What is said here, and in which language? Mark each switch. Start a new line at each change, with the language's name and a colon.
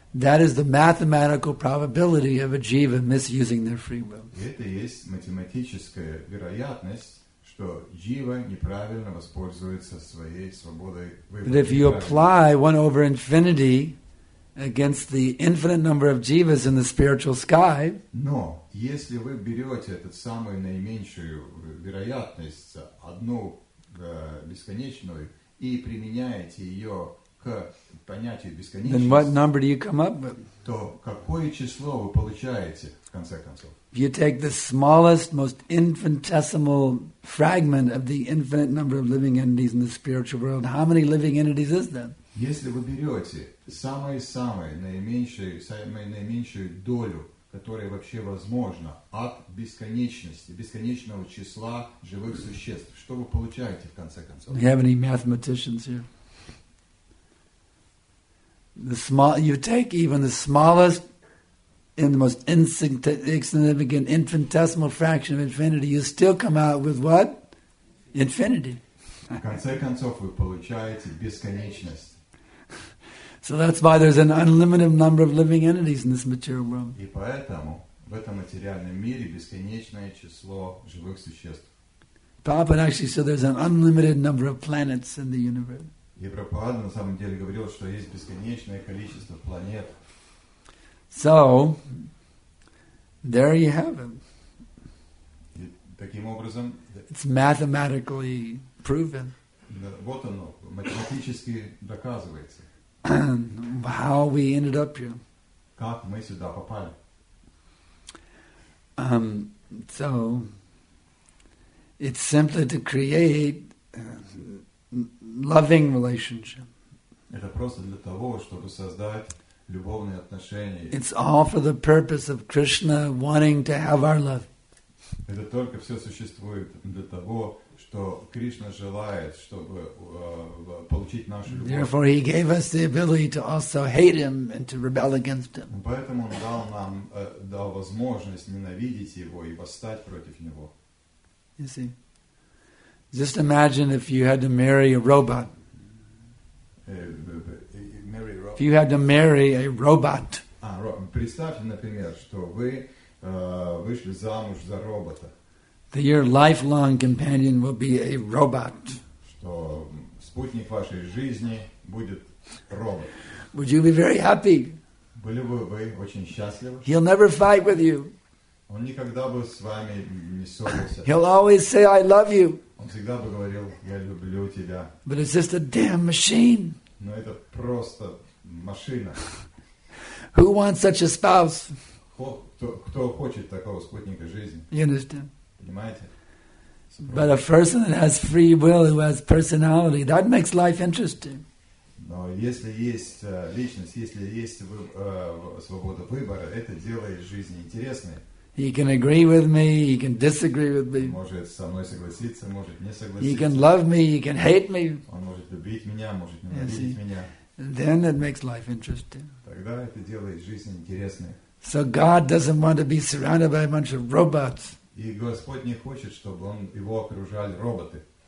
English: That is the mathematical probability of a jiva misusing their free will.
Russian: Это есть математическая вероятность, что джива неправильно воспользуется своей свободой выбора.
English: But if you apply 1 over infinity against the infinite number of jivas in the spiritual sky,
Russian: но если вы берете эту самую наименьшую вероятность, одну бесконечную, и применяете ее к понятию бесконечности,
English: then what number do you come up with?
Russian: То какое число вы получаете в конце концов?
English: You take the smallest, most infinitesimal fragment of the infinite number of living entities in the spiritual world. How many living entities is that?
Russian: Если вы берете самую наименьшую долю, которая вообще возможна от бесконечности, бесконечного числа живых существ, что вы получаете в конце концов?
English: Do you have any mathematicians here? You take even the smallest and the most insignificant infinitesimal fraction of infinity, you still come out with what? Infinity.
Russian: В конце концов, вы получаете бесконечность.
English: So that's why there's an unlimited number of living entities in this material world.
Russian: И поэтому в этом материальном мире бесконечное число живых существ.
English: Prabhupada actually said there's an unlimited number of planets in the universe.
Russian: И Прабхупада на самом деле говорил, что есть бесконечное количество планет.
English: So, there you have it.
Russian: И таким образом,
English: it's mathematically proven.
Russian: Вот оно, математически доказывается.
English: How we ended up here.
Russian: Как мы сюда попали?
English: So it's simply to create loving relationship.
Russian: Это просто для того, чтобы создать любовные отношения.
English: It's all for the purpose of Krishna wanting to have our love.
Russian: Это только все существует для того, что Кришна желает, чтобы получить нашу любовь.
English: Therefore, he gave us the ability to also hate him and to rebel against him.
Russian: Поэтому он дал нам дал возможность ненавидеть его и восстать против него.
English: You see, just imagine if you had to marry a robot. If you had to marry a robot.
Russian: Представьте, например, что вы вышли замуж за робота.
English: That your lifelong companion will be a robot.
Russian: Что спутник вашей жизни будет робот.
English: Would you be very happy?
Russian: Были бы вы очень счастливы?
English: He'll never fight with you.
Russian: Он никогда бы с вами не ссорился.
English: He'll always say, "I love you."
Russian: Он всегда бы говорил, "Я люблю тебя."
English: But it's just a damn machine.
Russian: Но это просто машина.
English: Who wants such a spouse?
Russian: Кто хочет такого спутника жизни?
English: You understand?
Russian: Понимаете?
English: But a person that has free will, who has personality, that makes life interesting.
Russian: Но если есть личность, если есть свобода выбора, это делает жизнь интересной.
English: He can agree with me, he can disagree with me.
Russian: Может со мной согласиться, может не согласиться.
English: He can love me, he can hate me.
Russian: Он может любить меня, может ненавидеть меня.
English: Then it makes life interesting.
Russian: Тогда это делает жизнь интересной.
English: So God doesn't want to be surrounded by a bunch of robots.
Russian: И Господь не хочет, чтобы он его окружали роботы.